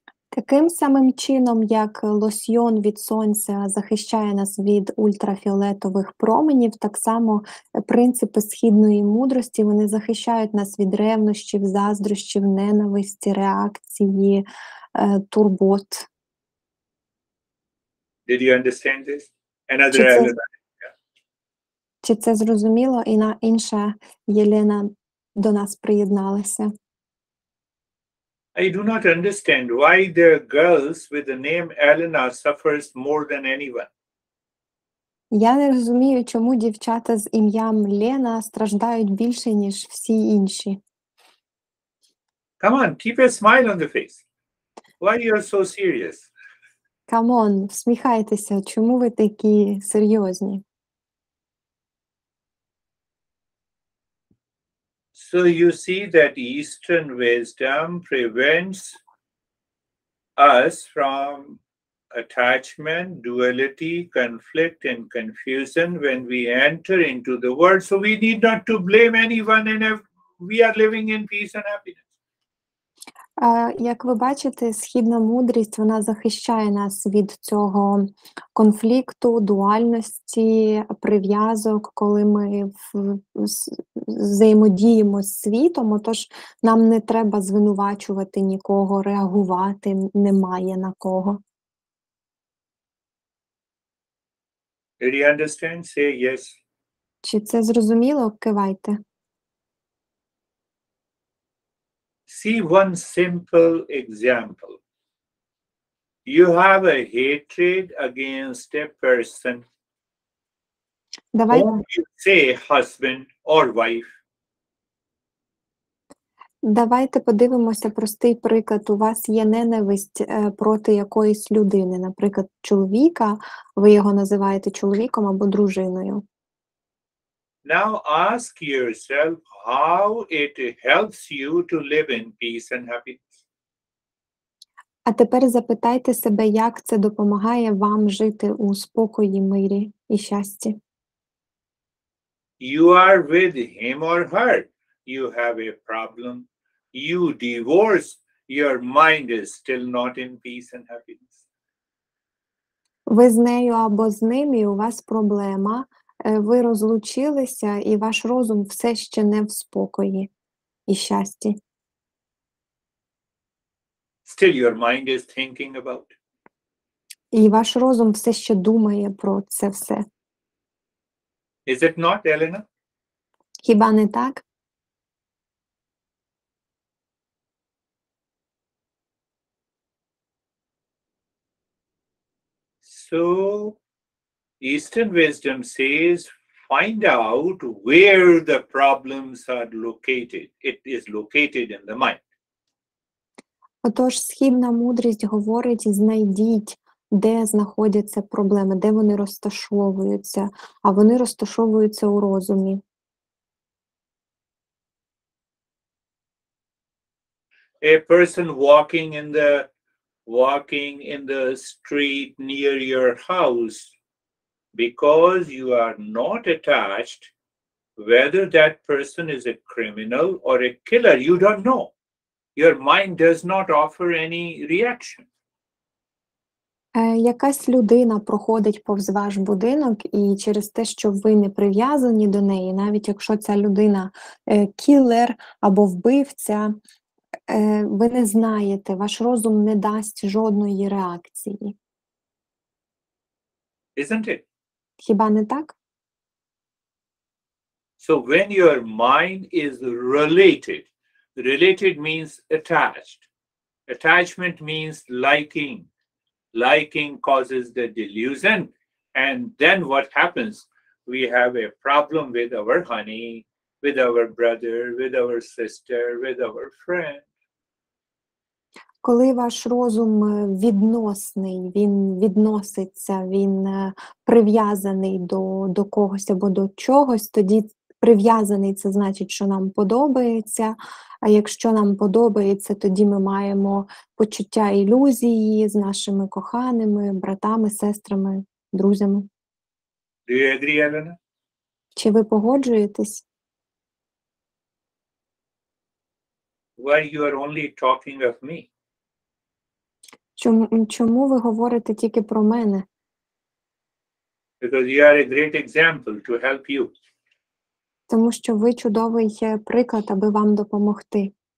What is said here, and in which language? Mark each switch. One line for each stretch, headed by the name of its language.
Ukrainian: Таким самим чином, як лосьйон від сонця захищає нас від ультрафіолетових променів, так само принципи східної мудрості, вони захищають нас від ревнощів, заздрощів, ненависті, реакції, турбот.
English: Did you understand this? Another Елена.
Ukrainian: Чи це зрозуміло? І на інша Єлена до нас приєдналася.
English: I do not understand why the girls with the name Елена suffers more than anyone.
Ukrainian: Я не розумію, чому дівчата з ім'ям Лена страждають більше, ніж всі інші.
English: Come on, keep a smile on the face. Why are you so serious? Come on,
Ukrainian: всміхайтеся. Чому ви такі серйозні?
English: So you see that Eastern wisdom prevents us from attachment, duality, conflict and confusion when we enter into the world. So we need not to blame anyone and we are living in peace and happiness.
Ukrainian: Як ви бачите, східна мудрість, вона захищає нас від цього конфлікту, дуальності, прив'язок, коли ми взаємодіємо з світом, отож нам не треба звинувачувати нікого, реагувати, немає на кого.
English: Do you understand? Say yes.
Ukrainian: Чи це зрозуміло? Кивайте.
English: See one simple example. You have a hatred against a person.
Ukrainian: Давай.
English: Don't you say husband or wife?
Ukrainian: Давайте подивимося простий приклад. У вас є ненависть проти якоїсь людини, наприклад, чоловіка, ви його називаєте чоловіком або дружиною.
English: Now ask yourself how it helps you to live in peace and happiness.
Ukrainian: А тепер запитайте себе, як це допомагає вам жити у спокої, мирі і щасті.
English: You are with him or her. You have a problem. You divorce. Your mind is still not in peace and happiness.
Ukrainian: Ви з нею або з ним, і у вас проблема. Ви розлучилися, і ваш розум все ще не в спокої і щасті.
English: Still your mind is thinking about.
Ukrainian: І ваш розум все ще думає про це все.
English: Is it not, Elena?
Ukrainian: Хіба не так?
English: So, Eastern wisdom says, find out where the problems are located. It is located in the mind.
Ukrainian: Отож, східна мудрість говорить, знайдіть, де знаходяться проблеми, де вони розташовуються, а вони розташовуються у розумі.
English: A person walking in the street near your house, because you are not attached, whether that person is a criminal or a killer, you don't know. Your mind does not offer any reaction.
Ukrainian: Якась людина проходить повз ваш будинок, і через те, що ви не прив'язані до неї, навіть якщо ця людина кілер або вбивця, ви не знаєте, ваш розум не дасть жодної реакції.
English: Isn't it?
Ukrainian: Хіба не так?
English: So when your mind is related, related means attached. Attachment means liking. Liking causes the delusion. And then what happens? We have a problem with our honey, with our brother, with our sister, with our friend.
Ukrainian: Коли ваш розум відносний, він відноситься, він прив'язаний до когось або до чогось, тоді прив'язаний – це значить, що нам подобається. А якщо нам подобається, тоді ми маємо почуття ілюзії з нашими коханими, братами, сестрами, друзями.
English: Do you agree, Elena?
Ukrainian: Чи ви погоджуєтесь?
English: Why you are only talking of me?
Ukrainian: Чому ви говорите тільки про мене?
English: Because you are a great example to help you.
Ukrainian: Тому що ви чудовий приклад, аби вам допомогти.